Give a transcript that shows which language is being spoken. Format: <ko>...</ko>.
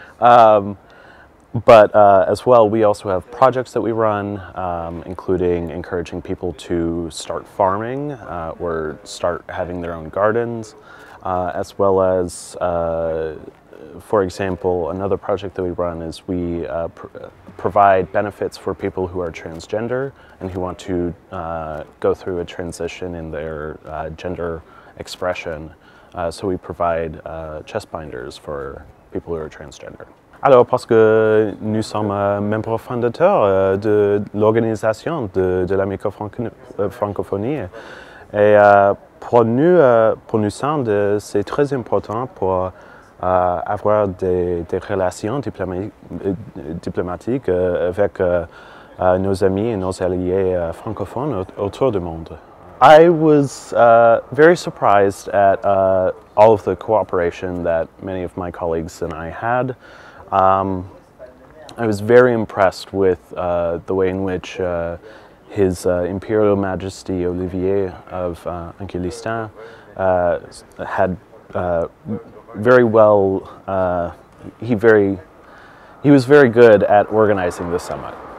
<en>As well, we also have projects that we run, including encouraging people to start farming or start having their own gardens, as well as, for example, another project that we run is we provide benefits for people who are transgender and who want to go through a transition in their gender expression. So we provide chest binders for people who are transgender.</en> <fr>Alors, parce que nous sommes membres fondateurs de l'organisation de la microfrancophonie, et pour nous Sandus, c'est très important pour avoir des relations diplomatiques avec nos amis et nos alliés francophones autour du monde.</fr> <en>I was very surprised at all of the cooperation that many of my colleagues and I had. I was very impressed with the way in which His Imperial Majesty Olivier of Angoulême had very well, he was very good at organizing the summit.</en>